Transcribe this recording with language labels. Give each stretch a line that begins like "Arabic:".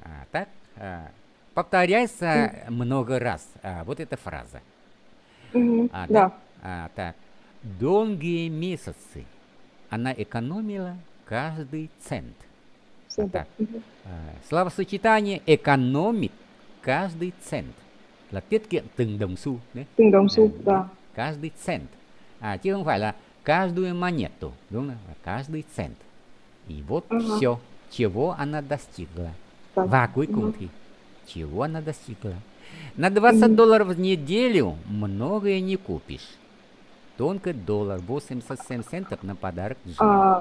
Russian: Так, повторяется много раз вот эта фраза. Да? Да. Так, долгие месяцы она экономила каждый цент. Все Так, словосочетание экономит каждый цент.
Vietnamese: Là tiết kiệm từng đồng xu, đấy. từng đồng xu, да.
Russian: Каждый цент.
Vietnamese: Chứ không phải là
Russian: каждую монету,
Vietnamese: đúng không?
Russian: Каждый цент. И вот все, чего она достигла.
Vietnamese: Và cuối cùng thì,
Russian: чего она достигла. На 20 долларов в неделю многое не купишь. Только доллар 87 центов на подарок Джиму.